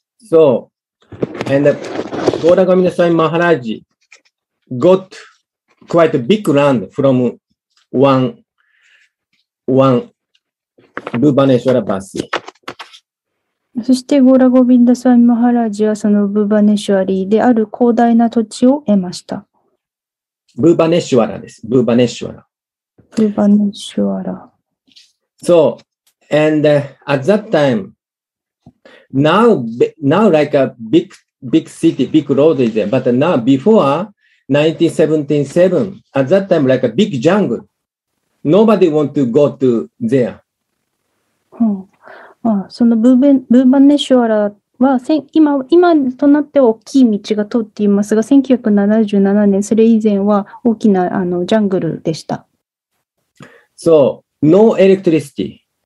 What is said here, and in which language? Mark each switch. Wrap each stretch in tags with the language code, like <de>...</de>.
<en>So,And Gaura Govinda Swami Maharaj got quite a big land from one Bhubaneswara Basi.</en> <ja>そしてゴーラゴビンダスワミマハラジはそのブーバネシュワリである広大な土地を得ました。ブーバネシュワラです。ブーバネシュワラ。ブーバネシュワラ。</ja> <en>So, and at that time,Now like a big city, big road is there. But now, before 1977, at that time, like a big jungle. Nobody want to go to there.、</en> <ja>はあ、そのブーバネシュワラは今となっては大きい道が通っていますが、1977年、それ以前は大きなジャングルでした。</ja> <en>So, no electricity.</en>